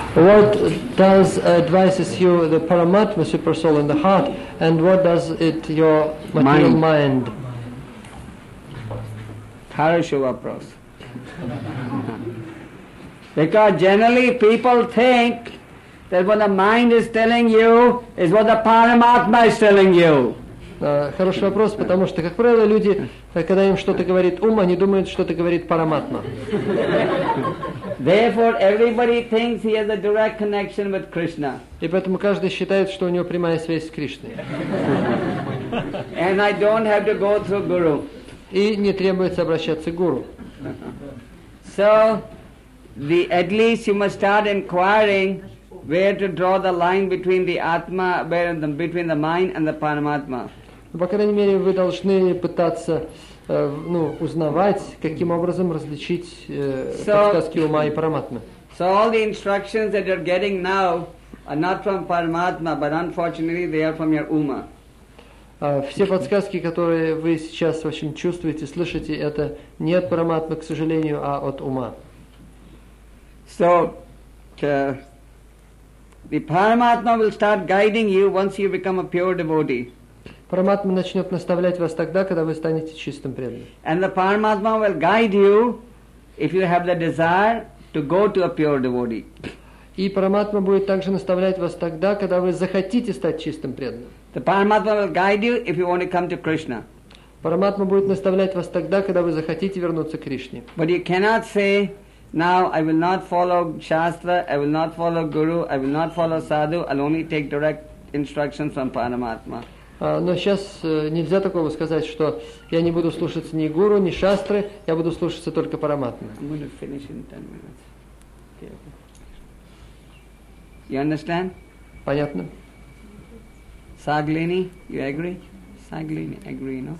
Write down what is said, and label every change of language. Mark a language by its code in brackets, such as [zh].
[en] What does advises you the Paramatma, super soul in the heart, and what does it your material mind? [ru] Harsha vapros. [en] Because generally people think that what the mind is telling you is what the Paramatma is telling you. [ru] Хороший вопрос, потому что, как правило, люди, когда им что-то говорит ум, они думают, что-то говорит Параматма. [en] Therefore, everybody thinks he has a direct connection with Krishna. [ru] И поэтому каждый считает, что у него прямая связь с Кришной. [en] And I don't have to go through Guru. [ru] И не требуется обращаться к Гуру. [en] So, at least you must start inquiring where to draw the line between the Atma, between the mind and the Paramatma. [ru] По крайней мере, вы должны пытаться узнавать, каким образом различить подсказки ума и Параматмы. [en] So all the instructions that you're getting now are not from Paramatma, but unfortunately they are from your Uma. [ru] Все подсказки, которые вы сейчас, в общем, чувствуете, слышите, это не от Параматмы, к сожалению, а от ума. [en] So, the Paramatma will start guiding you once you become a pure devotee. [ru] Параматма начнет наставлять вас тогда, когда вы станете чистым преданным. [en] And the Paramatma will guide you if you have the desire to go to a pure devotee. [ru] И Параматма будет также наставлять вас тогда, когда вы захотите стать чистым преданным. [en] The Paramatma will guide you if you want to come to Krishna. [ru] Параматма будет наставлять вас тогда, когда вы захотите вернуться к Кришне. [en] But you cannot say, now I will not follow Shastra, I will not follow Guru, I will not follow Sadhu, I'll only take direct instructions from Paramatma. [ru] Но сейчас нельзя такого сказать, что я не буду слушаться ни Гуру, ни Шастры, я буду слушаться только Параматмы. [en] I'm going to finish in 10 minutes. Okay. You understand? [ru] Понятно. [en] Saglini, you agree? Saglini, agree, no?